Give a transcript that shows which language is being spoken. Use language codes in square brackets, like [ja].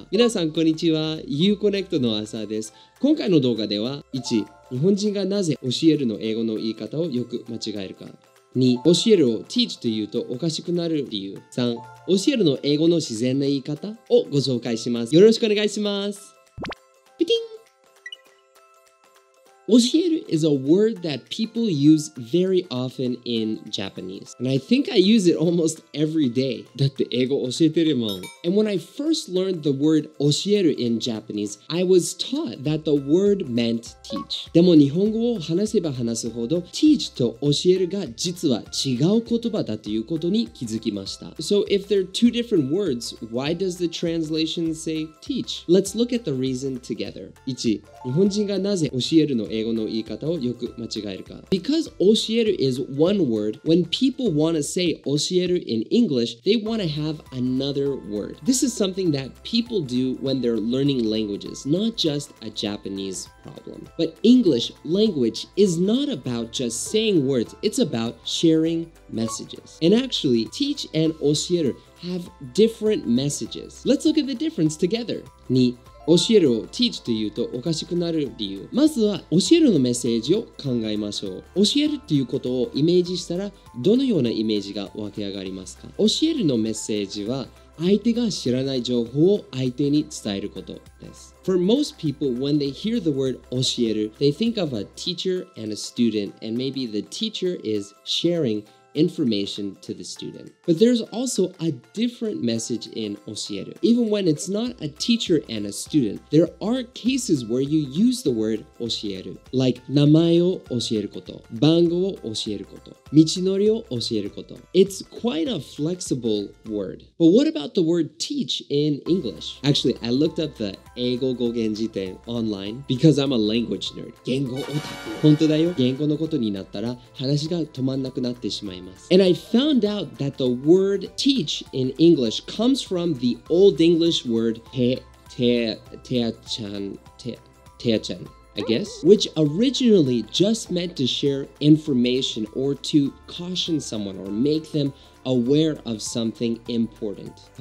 [ja] 皆さんこんにちは、 IU-Connect の朝です。今回の動画では 1. 日本人がなぜ教えるの英語の言い方をよく間違えるか、 2. 教えるを teach と言うとおかしくなる理由、 3. 教えるの英語の自然な言い方をご紹介します。よろしくお願いします。ピティン。 [en] Oshieru is a word that people use very often in Japanese. And I think I use it almost every day. [ja] だって英語教えてるもん。 [en] And when I first learned the word oshieru in Japanese, I was taught that the word meant teach. [ja] でも日本語を話せば話すほど teach と oshieru が実は違う言葉だということに気づきました。 [en] So if they're two different words, why does the translation say teach? Let's look at the reason together. 1. [ja] 日本人がなぜ教えるの英語の言い方をよく間違えるか。 [en] Because 教える is one word, when people want to say 教える in English, they want to have another word. This is something that people do when they're learning languages, not just a Japanese problem. But English language is not about just saying words, it's about sharing messages. And actually, teach and 教える have different messages. Let's look at the difference together. [ja] 2. 教えるを teach と言うとおかしくなる理由。まずは教えるのメッセージを考えましょう。教えるっていうことをイメージしたらどのようなイメージが湧き上がりますか。教えるのメッセージは相手が知らない情報を相手に伝えることです。 [en] For most people, when they hear the word 教える, they think of a teacher and a student, and maybe the teacher is sharing information to the student. But there's also a different message in 教える. Even when it's not a teacher and a student, there are cases where you use the word 教える. [ja] Like 名前を教えること、番号を教えること、道のりを教えること. [en] It's quite a flexible word. But what about the word teach in English? Actually, I looked up the 英語語源辞典 online because I'm a language nerd. [ja] 言語オタク。本当だよ。言語のことになったら話が止まんなくなってしまう。 [en] And I found out that the word teach in English comes from the old English word teachan, I guess, which originally just meant to share information or to caution someone or make them aware of something important.